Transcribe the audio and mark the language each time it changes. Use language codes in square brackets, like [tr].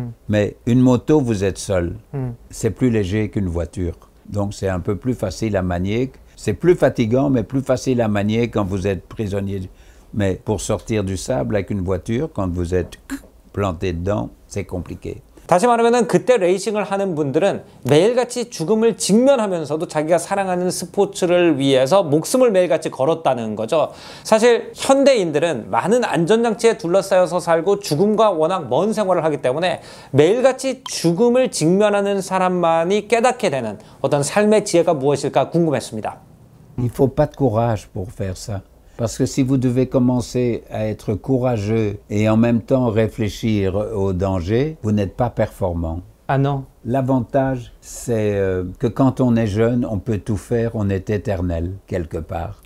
[fr] Mais une moto, vous êtes seul. C'est plus léger qu'une voiture. Donc c'est un peu plus facile à manier. C'est plus fatigant, mais plus facile à manier quand vous êtes prisonnier. Mais pour sortir du sable avec une voiture, quand vous êtes planté dedans, c'est compliqué. [ko] 다시 말하면 그때 레이싱을 하는 분들은 매일같이 죽음을 직면하면서도 자기가 사랑하는 스포츠를 위해서 목숨을 매일같이 걸었다는 거죠. 사실 현대인들은 많은 안전장치에 둘러싸여서 살고 죽음과 워낙 먼 생활을 하기 때문에 매일같이 죽음을 직면하는 사람만이 깨닫게 되는 어떤 삶의 지혜가 무엇일까 궁금했습니다. [fr] Il faut pas de courage pour faire ça. Parce que si vous devez commencer à être courageux et en même temps réfléchir au danger, vous n'êtes pas performant. Ah non. L'avantage, c'est que quand on est jeune, on peut tout faire, on est éternel, quelque part.